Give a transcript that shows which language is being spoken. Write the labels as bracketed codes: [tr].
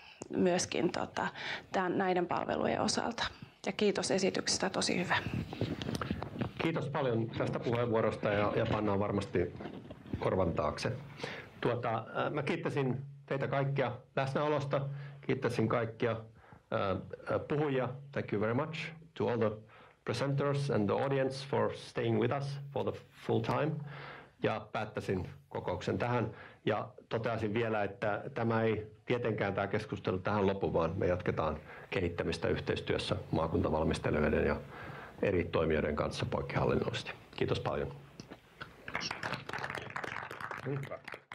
[fi] myöskin näiden palvelujen osalta. Ja kiitos esityksestä, tosi hyvä. Kiitos paljon tästä puheenvuorosta ja pannaan varmasti korvan taakse. Mä kiittäisin teitä kaikkia läsnäolosta, kiittäisin kaikkia puhujia. [en] Thank you very much to all the presenters and the audience for staying with us for the full time. [fi] Ja päättäisin kokouksen tähän ja toteaisin vielä, että tämä ei tietenkään tämä keskustelu tähän lopu, vaan me jatketaan kehittämistä yhteistyössä maakuntavalmistelijoiden ja eri toimijoiden kanssa poikkihallinnollisesti. Kiitos paljon. [en] Thank you.